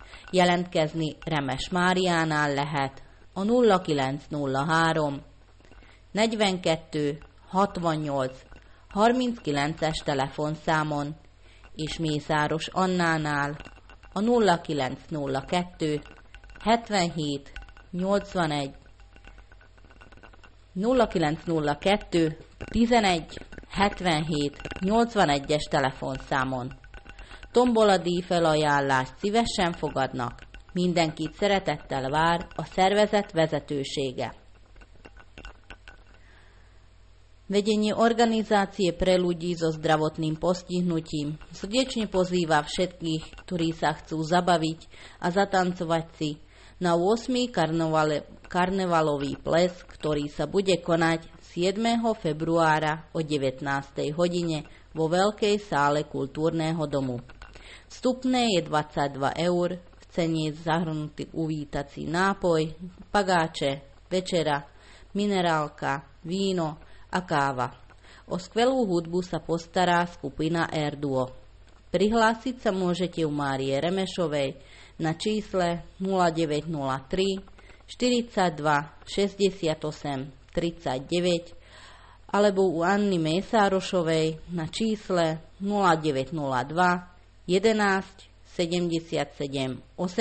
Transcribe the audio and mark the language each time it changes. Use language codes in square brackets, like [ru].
[hu] Jelentkezni Remes Máriánál lehet a 0903 42 68 39-es telefonszámon és Mészáros Annánál a 0902 77 81 0902 11 77 81-es telefonszámon. Tombola díjfelajánlást szívesen fogadnak. Mindenkit szeretettel vár a szervezet vezetősége. [sk] Vedenie organizácie pre ľudí so zdravotným postihnutím srdečne pozýva všetkých, ktorí sa chcú zabaviť a zatancovať si na 8. karnevalový ples, ktorý sa bude konať 7. februára o 19. hodine vo Veľkej sále kultúrneho domu. Vstupné je 22 eur, v cene zahrnutý uvítací nápoj, pagáče, večera, minerálka, víno a káva. O skvelú hudbu sa postará skupina Erduo. Prihlásiť sa môžete u Márie Remešovej na čísle 0903 42 68 39 alebo u Anny Mészárosovej na čísle 0902 11 77 81.